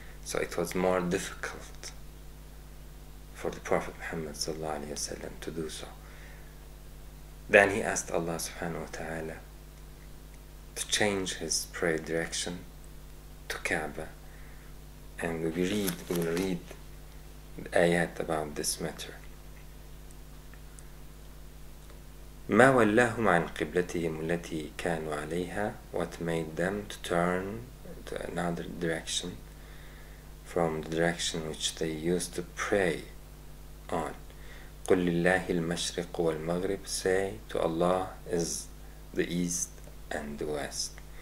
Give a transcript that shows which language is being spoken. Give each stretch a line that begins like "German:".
English: So it was more difficult for the Prophet Muhammad sallallahu alaihi wasallam to do so. Then he asked Allah subhanahu wa ta'ala to change his prayer direction to Kaaba. And we will read the ayat about this matter.
Arabic: ما ولاهم عن قبلتهم التي كانوا عليها.
English: What made them to turn to another direction from the direction which they used to pray on.
Arabic: قل لله المشرق والمغرب.
English: Say to Allah is the east and the west.